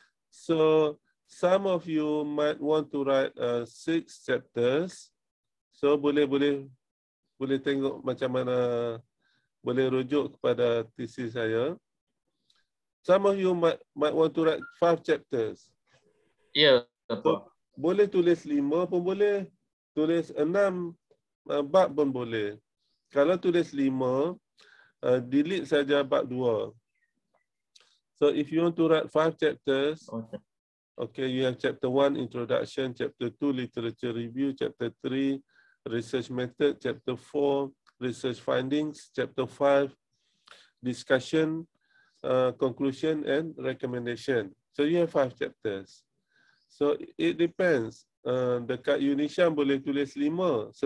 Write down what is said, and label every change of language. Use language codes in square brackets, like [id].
[en] So some of you might want to write 6 chapters. [ms] So boleh tengok macam mana, boleh rujuk kepada thesis saya. [en] Some of you might want to write 5 chapters. Ya, yeah. So, [ms] boleh tulis 5 pun boleh, tulis 6 bab pun boleh. Kalau tulis 5, delete saja bab 2. [en] So if you want to write 5 chapters, okay, you have chapter 1 introduction, chapter 2 literature review, chapter 3 research method, chapter 4 research findings, chapter 5 discussion, conclusion and recommendation. So you have 5 chapters. So it depends. [ms] Dekat Unisham boleh tulis 5.